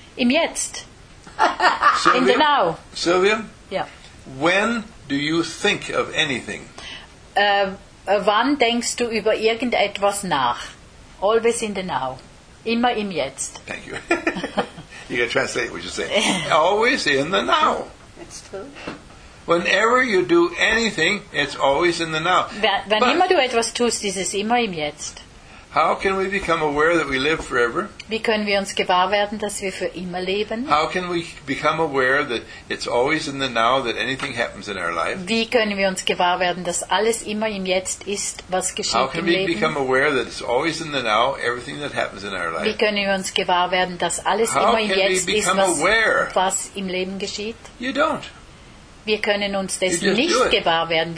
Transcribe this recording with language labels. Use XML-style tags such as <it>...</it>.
<de>Im Jetzt.</de> <en>Sylvia? In the now. Sylvia? Yeah. When do you think of anything?</en> <de>wann denkst du über irgendetwas nach?</de> <en>Always in the now.</en> <de>Immer im Jetzt.</de> <en>Thank you. You gotta translate what you say. Always in the now. That's true. Whenever you do anything, it's always in the now.</en> <de>Wenn immer du etwas tust, ist es immer im Jetzt.</de> <en>How can we become aware that we live forever?</en> <de>Wie können wir uns gewahr werden, dass wir für immer leben?</de> <en>How can we become aware that it's always in the now that anything happens in our life?</en> <de>Wie können wir uns gewahr werden, dass alles immer im Jetzt ist, was geschieht im Leben?</de> <en>How can we become aware that it's always in the now everything that happens in our life?</en> <de>Wie können wir uns gewahr werden, dass alles immer im Jetzt ist, was im Leben geschieht?</de> <en>You don't.</en> <de>Wir können uns dessen nicht gewahr werden.</de>